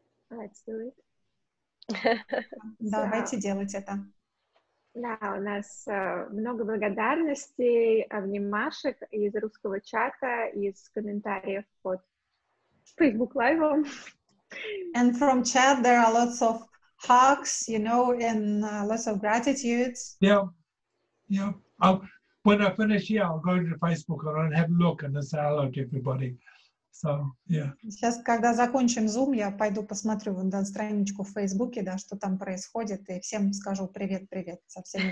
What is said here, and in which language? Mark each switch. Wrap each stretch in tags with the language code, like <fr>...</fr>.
<en>Let's do it.</en> <ru>Давайте делать это. Да, у нас много благодарностей, обнимашек из русского чата, из комментариев под Facebook Live.</ru> <en>And from chat there are lots of hugs, you know, and lots of gratitude. Yeah, yeah. When I finish here, I'll go to Facebook and have a look and say hello to everybody. So, yeah.</en> <ru>Сейчас, когда закончим Zoom, я пойду посмотрю вон, да, страничку в Фейсбуке, да, что там происходит, и всем скажу привет-привет, со всеми</ru>